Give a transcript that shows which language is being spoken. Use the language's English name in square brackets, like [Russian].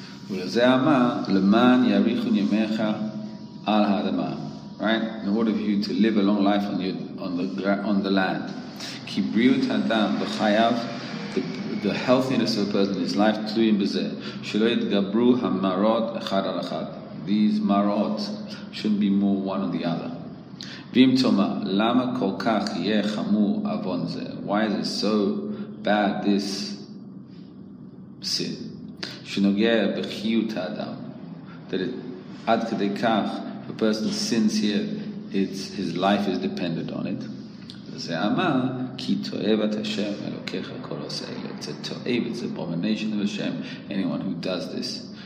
[Hebrew] ולזה אמר, למען יאריכון ימיך על האדמה. [English] Right? In order for you to live a long life on the land. [Hebrew] כי בריאות האדם בחייו, [English] the healthiness of a person in his life, [Hebrew] תלויים בזה. שלא יתגברו המרות אחד על אחד. [English] These marot shouldn't be more one on the other. [Hebrew] ואם תאמר, למה כל כך יהיה חמור אבון זה? [English] Why is it so bad, this sin? [Hebrew] Shinogeh bechiyut ha'adam, [English] that it, [Hebrew] ad kadei kach, [English] if a person sins here, it's, his life is dependent on it. [Hebrew] Ze'ama ki to'evat Hashem elokecha kol oseh. [English] It's a to'ev, it's an abomination of Hashem, anyone who does this.